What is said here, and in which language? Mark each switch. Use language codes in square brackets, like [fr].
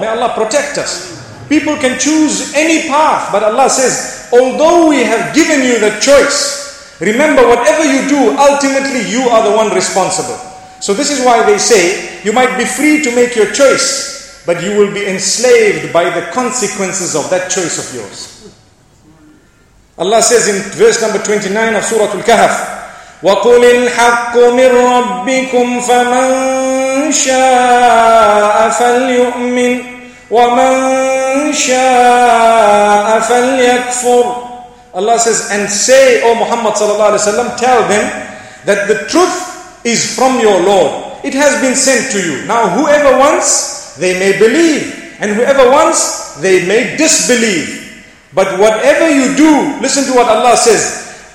[en] May Allah protect us. People can choose any path, but Allah says, although we have given you the choice, remember, whatever you do, ultimately you are the one responsible. So this is why they say, you might be free to make your choice, but you will be enslaved by the consequences of that choice of yours. Allah says in verse number 29 of Surah Al-Kahf, [ar] وَقُلِ الْحَقُّ مِنْ رَبِّكُمْ فَمَنْ شَاءَ فَلْيُؤْمِنْ وَمَنْ شَاءَ فَلْيَكْفُرْ. [en] Allah says, and say, O Muhammad sallallahu alayhi wa sallam, tell them that the truth is from your Lord. It has been sent to you. Now whoever wants, they may believe. And whoever wants, they may disbelieve. But whatever you do, listen to what Allah says.